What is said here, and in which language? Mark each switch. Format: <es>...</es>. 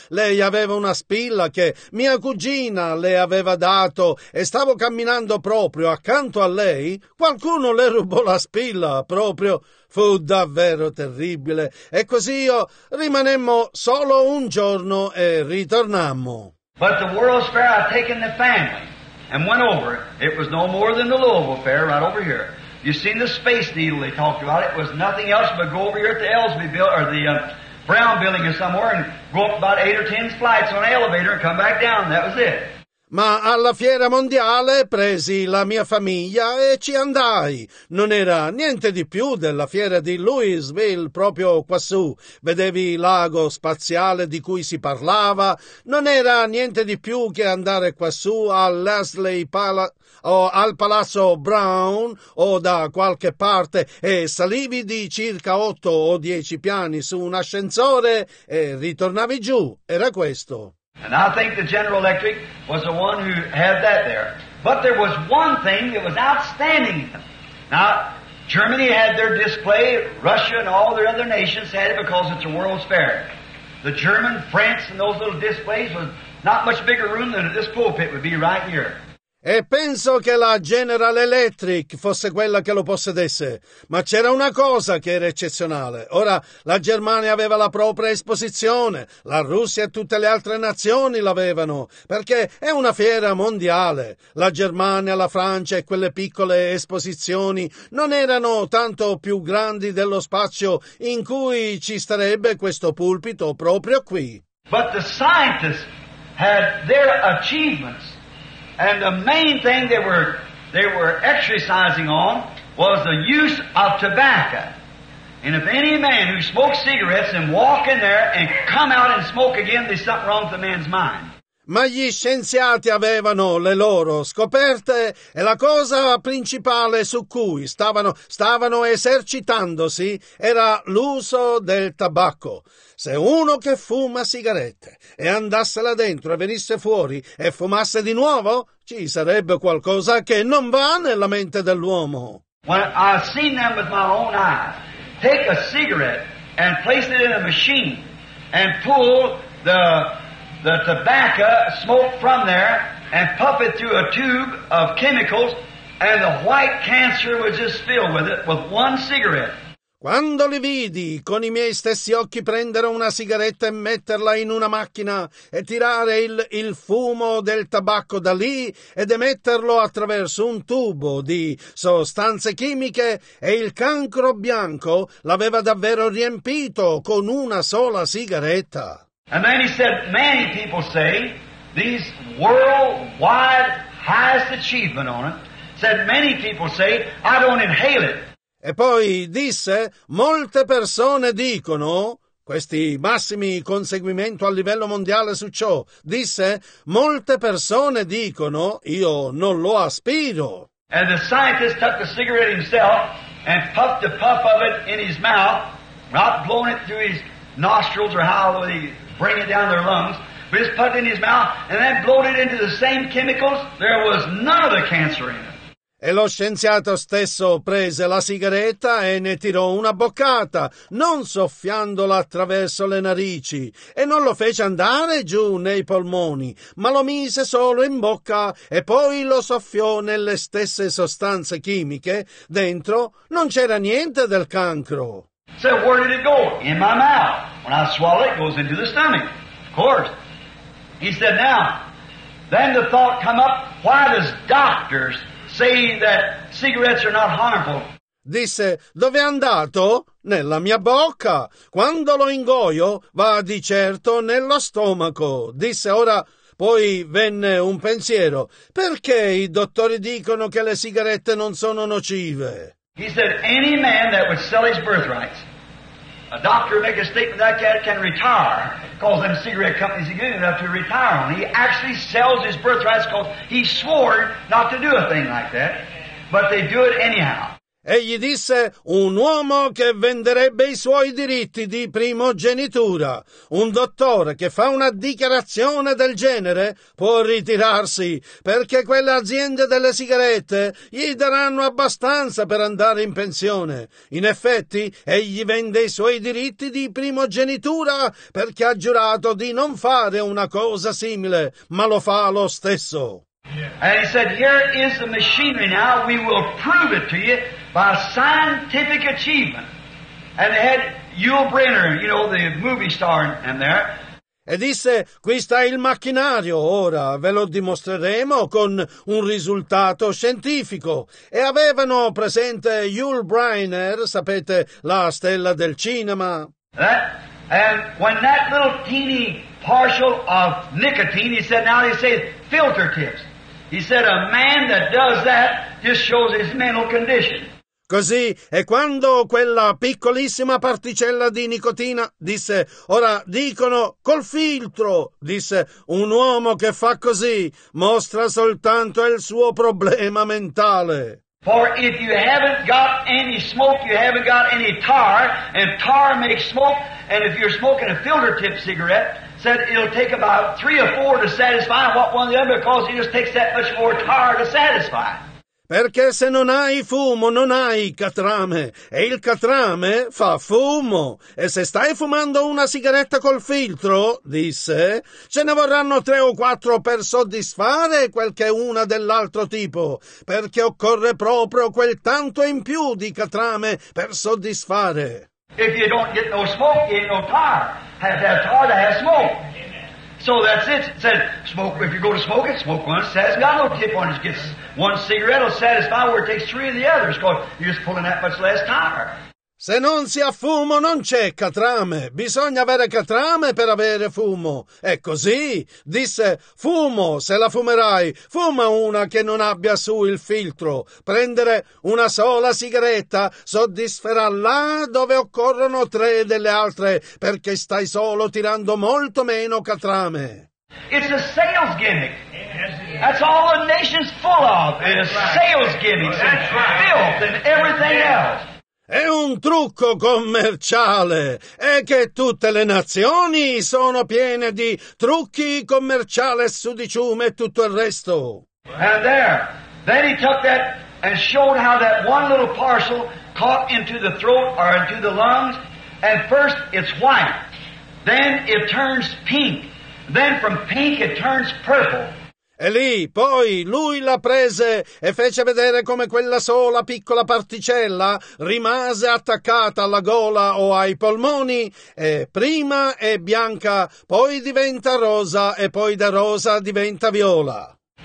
<it>Lei aveva una spilla che mia cugina le aveva dato e stavo camminando proprio accanto a lei. Qualcuno le rubò la spilla proprio. Fu davvero terribile. E così io rimanemmo solo un giorno e ritornammo.</it> <en>But the World's Fair had taken the family and went over. It was no more than the Louisville Fair right over here. You've seen the Space Needle they talked about. It was nothing else but go over here at the Ellsby Building, or the Brown Building or somewhere, and go up about 8 or 10 flights on an elevator and come back down. That was it.</en> <it>ma alla fiera mondiale presi la mia famiglia e ci andai. Non era niente di più della fiera di Louisville, proprio quassù. Vedevi il lago spaziale di cui si parlava. Non era niente di più che andare quassù all'Astley Palace o al Palazzo Brown o da qualche parte, e salivi di circa 8 o 10 piani su un ascensore e ritornavi giù. Era questo.</it> <en>And I think the General Electric was the one who had that there. But there was one thing that was outstanding. Now, Germany had their display, Russia and all their other nations had it because it's a World's Fair. The German, France and those little displays was not much bigger room than this pulpit would be right here.</en> <it>E penso che la General Electric fosse quella che lo possedesse. Ma c'era una cosa che era eccezionale. Ora, la Germania aveva la propria esposizione, la Russia e tutte le altre nazioni l'avevano, perché è una fiera mondiale. La Germania, la Francia e quelle piccole esposizioni non erano tanto più grandi dello spazio in cui ci starebbe questo pulpito proprio qui.</it> <en>But the scientists had their achievements. And the main thing they were exercising on was the use of tobacco. And if any man who smokes cigarettes and walk in there and come out and smoke again, there's something wrong with the man's mind.</en> <it>Ma gli scienziati avevano le loro scoperte e la cosa principale su cui stavano esercitandosi era l'uso del tabacco. Se uno che fuma sigarette e andasse là dentro e venisse fuori e fumasse di nuovo, ci sarebbe qualcosa che non va nella mente dell'uomo.</it> <en>When I've seen them with my own eyes, take a cigarette and place it in a machine and pull the tobacco smoke from there and puff it through a tube of chemicals and the white cancer would just fill with it with one cigarette.</en> <it>Quando li vidi con i miei stessi occhi prendere una sigaretta e metterla in una macchina e tirare il fumo del tabacco da lì ed emetterlo attraverso un tubo di sostanze chimiche, e il cancro bianco l'aveva davvero riempito con una sola sigaretta.</it> <en>And then he said, many people say, these worldwide highest achievement on it, said many people say, I don't inhale it.</en> <it>E poi disse, molte persone dicono, questi massimi conseguimento a livello mondiale su ciò, disse, molte persone dicono, io non lo aspiro.</it> <en>And the scientist took the cigarette himself and puffed the puff of it in his mouth, not blowing it through his nostrils or how would he bring it down their lungs, but just puffed it in his mouth and then blowed it into the same chemicals, there was none of the cancer in it.</en> <it>E lo scienziato stesso prese la sigaretta e ne tirò una boccata, non soffiandola attraverso le narici, e non lo fece andare giù nei polmoni, ma lo mise solo in bocca e poi lo soffiò nelle stesse sostanze chimiche. Dentro non c'era niente del cancro.</it> <en>So where did it go? In my mouth. When I swallow it, it goes into the stomach. Of course. He said, now, then the thought come up, why does doctors say that cigarettes are not harmful.</en> <it>Disse, dove è andato? Nella mia bocca. Quando lo ingoio, va di certo nello stomaco. Disse, ora, poi venne un pensiero. Perché i dottori dicono che le sigarette non sono nocive?</it> <en>He said, any man that would sell his birthrights, a doctor make a statement like that can retire, because them cigarette companies are good enough to retire on. He actually sells his birthrights because he swore not to do a thing like that, but they do it anyhow.</en> <it>Egli disse, un uomo che venderebbe i suoi diritti di primogenitura, un dottore che fa una dichiarazione del genere, può ritirarsi, perché quelle aziende delle sigarette gli daranno abbastanza per andare in pensione. In effetti, egli vende i suoi diritti di primogenitura perché ha giurato di non fare una cosa simile, ma lo fa lo stesso.</it> <en>And he said, here is the machinery now, we will prove it to you by scientific achievement. And they had Yul Brynner, you know, the movie star in there.</en> <it>E disse, qui sta il macchinario, ora ve lo dimostreremo con un risultato scientifico. E avevano presente Yul Brynner, sapete, la stella del cinema.</it> <en>That And when that little teeny partial of nicotine, he said, now they say filter tips. He said, a man that does that just shows his mental condition.</en> <it>Così, e quando quella piccolissima particella di nicotina, disse, ora dicono col filtro, disse, un uomo che fa così mostra soltanto il suo problema mentale.</it> <en>For if you haven't got any smoke, you haven't got any tar, and tar makes smoke, and if you're smoking a filter tip cigarette, said it'll take about 3 or 4 to satisfy what one of the other, because it just takes that much more tar to satisfy.</en> <it>Perché se non hai fumo, non hai catrame, e il catrame fa fumo. E se stai fumando una sigaretta col filtro, disse, ce ne vorranno 3 o 4 per soddisfare quel che è una dell'altro tipo, perché occorre proprio quel tanto in più di catrame per soddisfare.</it> <en>If you don't get no smoke, you ain't no tar. Have that tar to have smoke. So that's it. It said, smoke, if you go to smoke it, smoke one. It says, got no tip on it. Gets one cigarette, it'll satisfy where it takes 3 of the others, because you're just pulling that much less tar.</en> <it>Se non si ha fumo, non c'è catrame. Bisogna avere catrame per avere fumo. È così. Disse, fumo, se la fumerai, fuma una che non abbia su il filtro. Prendere una sola sigaretta soddisferà là dove occorrono 3 delle altre, perché stai solo tirando molto meno catrame.</it> <en>It's a sales gimmick. That's all the nation's full of. It's a sales gimmick. It's filth and everything else.</en> <it>È un trucco commerciale, è che tutte le nazioni sono piene di trucchi commerciali, sudiciume e tutto il resto.</it> <en>And there, then he took that and showed how that one little parcel caught into the throat or into the lungs, and first it's white, then it turns pink, then from pink it turns purple.</en> <it>E lì, poi, lui la prese e fece vedere come quella sola piccola particella rimase attaccata alla gola o ai polmoni, e prima è bianca, poi diventa rosa, e poi da rosa diventa viola.</it>